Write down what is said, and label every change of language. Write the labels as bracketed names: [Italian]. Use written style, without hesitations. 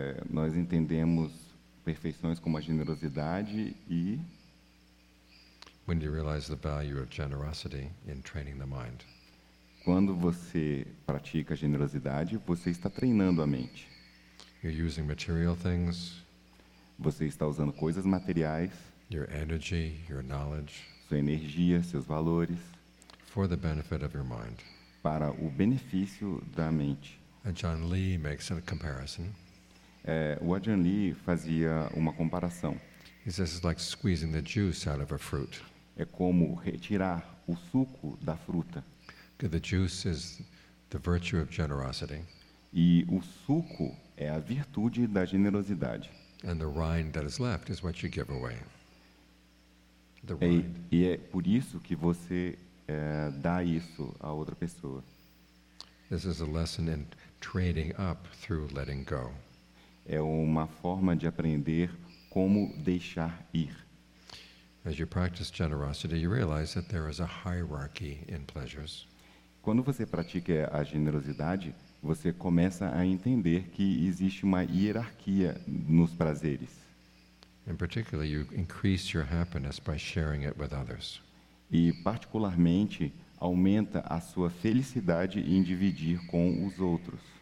[Portuguese] Nós entendemos perfeições como a generosidade e... [English] When you realize the value of generosity in training the mind. [Portuguese] Quando você pratica a generosidade, você está treinando a mente. [English] You're using material things. [Portuguese] Você está usando coisas materiais, [English] your energy, your knowledge, [Portuguese] sua energia, seus valores, [English] for the benefit of your mind. [Portuguese] Para o benefício da mente. [English] And John Lee makes a comparison. [Portuguese] O John Lee fazia uma comparação. [English] He says it's like squeezing the juice out of a fruit. [Portuguese] É como retirar o suco da fruta. [English] The juice is the virtue of generosity. [Portuguese] E o suco é a virtude da generosidade. [English] And the rind that is left is what you give away. The rind. [Portuguese] E é por isso que você dá isso à outra pessoa. [English] This is a lesson in trading up through letting go. [Portuguese] É uma forma de aprender como deixar ir. [English] As you practice generosity, you realize that there is a hierarchy in pleasures. [Portuguese] Quando você pratica a generosidade, você começa a entender que existe uma hierarquia nos prazeres. [English] In particular, you increase your happiness by sharing it with others. [Portuguese] E particularmente aumenta a sua felicidade em dividir com os outros.